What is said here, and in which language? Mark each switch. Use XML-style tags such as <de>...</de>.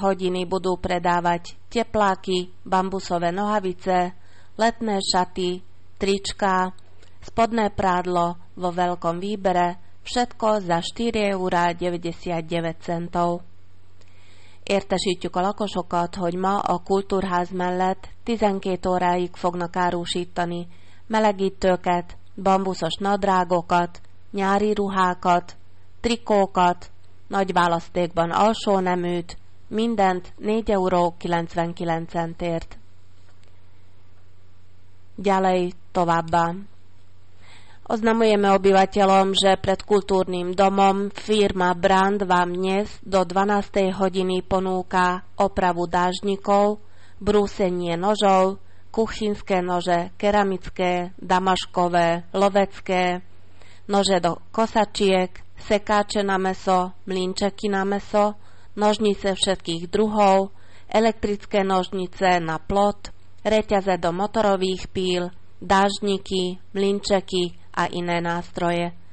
<sk>hodiny budú predávať tepláky, bambusové nohavice, letné šaty, trička, spodné prádlo vo veľkom výbere, všetko za 4,99 €.</sk> <hu>Értesítjük a lakosokat, hogy ma a kultúrház mellett 12 óráig fognak árusítani melegítőket, bambuszos nadrágokat, nyári ruhákat, trikókat, nagy választékban alsó neműt, mindent 4,99 €.</hu> <sk>Ďalej</sk> <hu>továbbá.</hu> <sk>Oznamujeme obyvateľom, že pred kultúrnym domom firma Brand vám dnes do 12. hodiny ponúka opravu dážnikov, brúsenie nožov, kuchynské nože, keramické, damaškové, lovecké, nože do kosačiek, sekáče na meso, mlynčeky na meso, nožnice všetkých druhov, elektrické nožnice na plot, reťaze do motorových píl, dážniky, mlynčeky a iné nástroje,</sk>